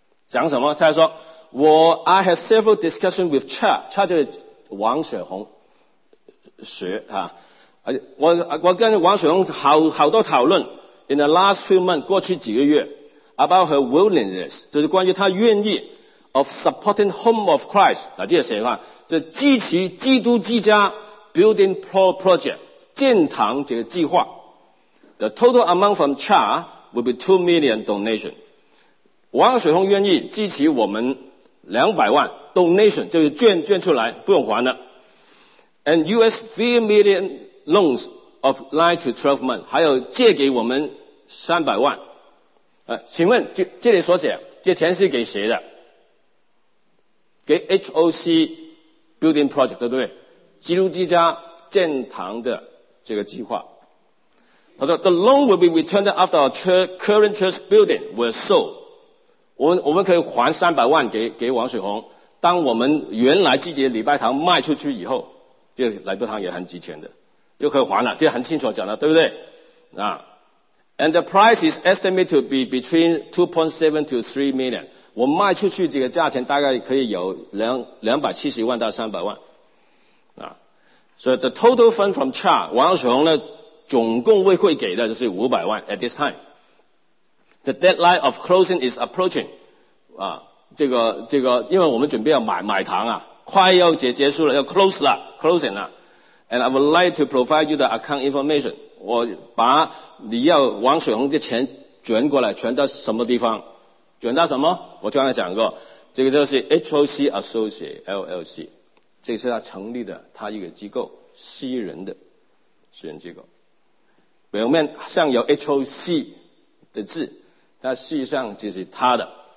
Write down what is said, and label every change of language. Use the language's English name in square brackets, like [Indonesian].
[Chinese] 讲什么？他说我 [English] I had several discussions with Cha [Chinese] 就是王雪红学，啊，我跟王雪红 好多讨论 [English] in the last few months [Chinese] 过去几个月 [English] about her willingness, [Chinese] 就是关于她愿意 [English] of supporting home of Christ, [Chinese] 那这是谁，就支持基督之家 [English] building project [Chinese] 建堂这个计划。 [English] The total amount from CHA will be 2 million donation. [Chinese] 王雪红愿意支持我们200万 [English] donation, [Chinese] 就是捐出来不用还了。 [English] And US 3 million loans of 9 to 12 months, [Chinese] 还有借给我们300万。请问 这里所写这钱是给谁的？给 HOC Building Project, 对不对？基督之家建堂的这个计划。他说 [English] The loan will be returned after our current church building was sold. [Chinese] 我们可以还300万给王水红，当我们原来自己的礼拜堂卖出去以后，这个礼拜堂也很值钱的，就可以还了，这很清楚讲的，对不对？ [English] 啊， And the price is estimated to be between 2.7 to 3 million. [Chinese] 我卖出去这个价钱大概可以有270万到300万。 [English] So the total fund from CHA, [Chinese] 王雪红呢总共会给的就是500万 [English] at this time. The deadline of closing is approaching. [Chinese] 啊，这个因为我们准备要买堂啊，快要结束了要 closing了。 [English] And I would like to provide you the account information. [Chinese] 我把你要王雪红的钱转过来，转到什么地方？转到什么？我刚才讲过，这个就是 HOC Associate LLC。这是他成立的他一个机构。吸人的实验机构。表面上有 HOC 的字，但事实上就是他的。